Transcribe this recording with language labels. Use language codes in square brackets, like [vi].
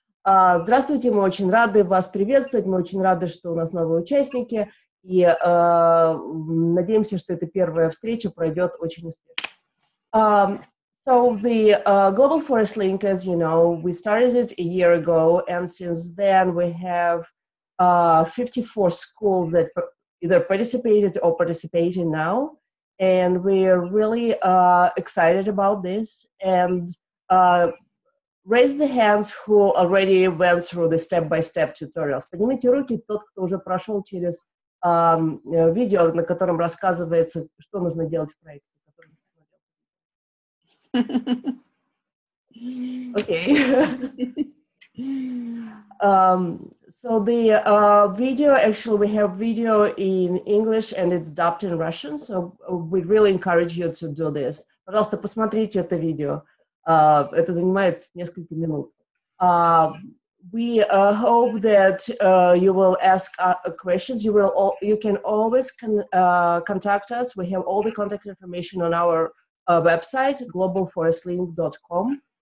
[ru] Здравствуйте, мы очень рады вас приветствовать, мы очень рады, что у нас новые участники. И надеемся, что эта первая встреча пройдет очень успешно. [en] So the Global Forest Link, as you know, we started it a year ago, and since then we have 54 schools that either participated or participating now, and we're really excited about this. And raise the hands who already went through the step-by-step tutorials. [ru] Поднимите руки тот, кто уже прошел через видео, на котором рассказывается, что нужно делать в проекте. [en] Okay. So the video, actually we have video in English and it's dubbed in Russian, so we really encourage you to do this. [ru] Пожалуйста, посмотрите это видео. Это занимает несколько минут. [en] We hope that you will ask questions. You can always contact us. We have all the contact information on our website globalforestlink.com.